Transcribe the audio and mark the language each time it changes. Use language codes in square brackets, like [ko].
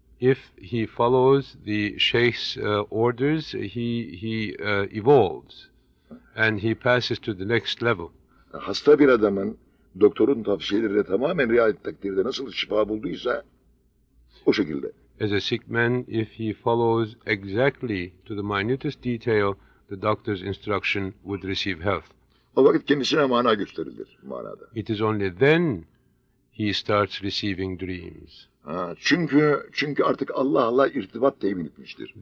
[en] If he follows the sheikh's orders, he evolves and he passes to the next level. [tr] Hasta bir adamın doktorun tavsiyelerine tamamen riayet takdirde nasıl şifa bulduysa o şekilde. [en] As a sick man, if he follows exactly to the minutest detail the doctor's instruction, would receive health. [tr] O vakit kendisine mana gösterilir manada. [en] It is only then he starts receiving dreams. [tr] Çünkü artık Allah'la irtibat temin etmiştir.